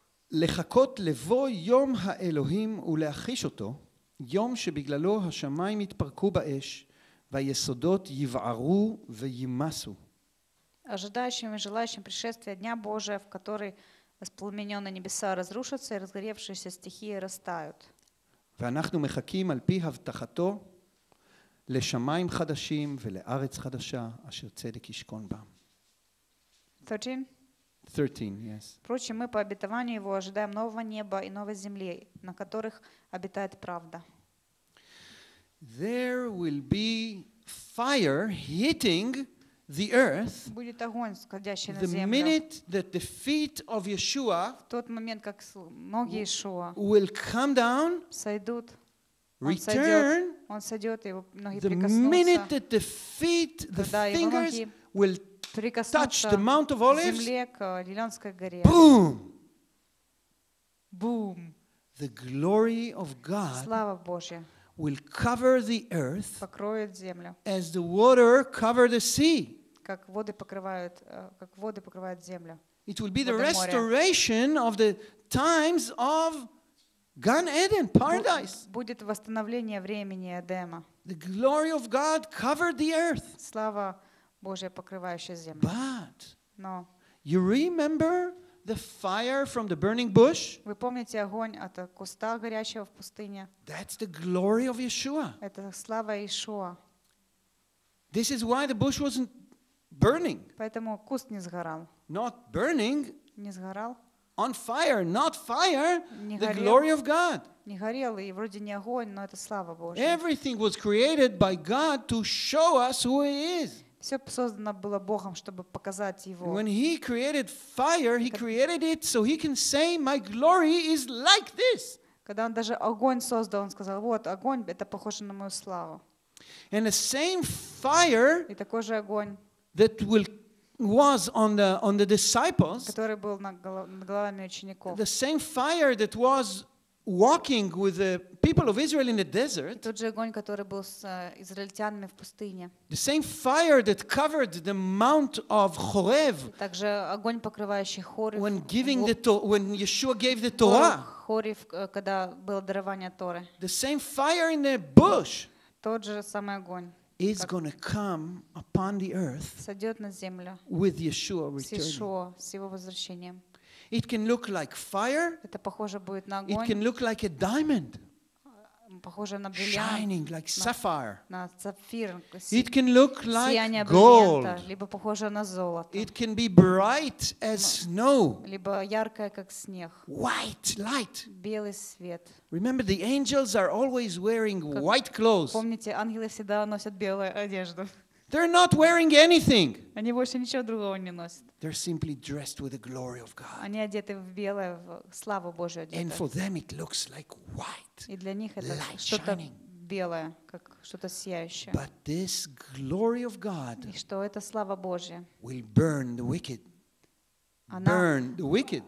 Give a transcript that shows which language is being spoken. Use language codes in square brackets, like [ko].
[he] לחכות לבוא יום האלוהים ולהכחיש אותו. יום שבגללו השמיים יתפרקו באש והיסודות יבערו וימסו. [ru] Ожидающим и желающим пришествия дня Божия, в который воспламененные небеса разрушатся и разгоревшиеся стихии растают. [he] ואנחנו מחכים על פי הבטחתו לשמיים חדשים ולארץ חדשה אשר צדק ישכון בה. [en] 13. 13, yes. [ru] Впрочем, мы по обетованию его ожидаем нового неба и новой земли, на которых обитает правда. [en] There will be fire hitting the earth. [ru] Будет огонь, сходящий на землю. [en] The minute that the feet of Yeshua, [ru] в тот момент, как ноги Иешуа, [en] will come down, [ru] сойдут, [en] return, [ru] он сойдет, его ноги прикоснутся. [en] The minute that the feet, the fingers will touch the Mount of Olives, [ru] земле, к Лилионской горе. [en] Boom! Boom! The glory of God. [ru] Слава Божья. [en] Will cover the earth [ru] покроет землю. [en] As the water cover the sea. [ru] Как воды покрывают землю. [en] It will be the restoration of the times of Gan Eden, paradise. [ru] Будет восстановление времени Эдема. [en] The glory of God covered the earth. [ru] Слава Божья покрывающая землю. [en] But no. You remember the fire from the burning bush? [ru] Вы помните огонь от куста горящего в пустыне? [en] That's the glory of Yeshua. [ru] Это слава Иешуа. [en] This is why the bush wasn't burning. [ru] Поэтому куст не сгорал. [en] Not burning. [ru] Не сгорал. [en] On fire, not fire. [ru] Не [en] the glory of God. [ru] Не горел и вроде не огонь, но это слава Божья. [en] Everything was created by God to show us who He is. [ru] Все создано было Богом, чтобы показать Его. [en] When He created fire, He created it so He can say, "My glory is like this." [ru] Когда Он даже огонь создал, Он сказал: "Вот огонь, это похоже на мою славу." [en] And the same fire that was on the disciples, [ru] который был над головами учеников, [en] the same fire that was walking with the people of Israel in the desert. [ru] Тот же огонь, который был с израильтянами в пустыне. [en] The same fire that covered the Mount of Horeb. [ru] Также огонь, покрывающий Хорев. [en] When giving the when Yeshua gave the Torah. [ru] Хорев, когда было дарование Торы. [en] The same fire in the bush. [ru] Тот же самый огонь. [en] Is going to come upon the earth. [ru] Сойдет на землю. [en] With Yeshua returning. [ru] С Иешуа, с его возвращением. [en] It can look like fire. [ru] Это похоже будет на огонь. [en] It can look like a diamond. [ru] Похоже на бриллиант. [en] Shining like sapphire. [ru] На сапфир. [en] It can look like gold. [ru] Либо похоже на золото. [en] It can be bright as snow. [ru] Либо яркое как снег. [en] White light. [ru] Белый свет. [en] Remember, the angels are always wearing white clothes. [ru] Помните, ангелы всегда носят белую одежду. [en] They're not wearing anything. [ru] Они больше ничего другого не носят. [en] They're simply dressed with the glory of God. [ru] Они одеты в белое, в славу Божию одеты. [en] And for them it looks like white. [ru] И для них это что-то белое, как что-то сияющее. [en] But this glory of God. [ru] И что это слава Божья. [en] Will burn the wicked. Burn the wicked.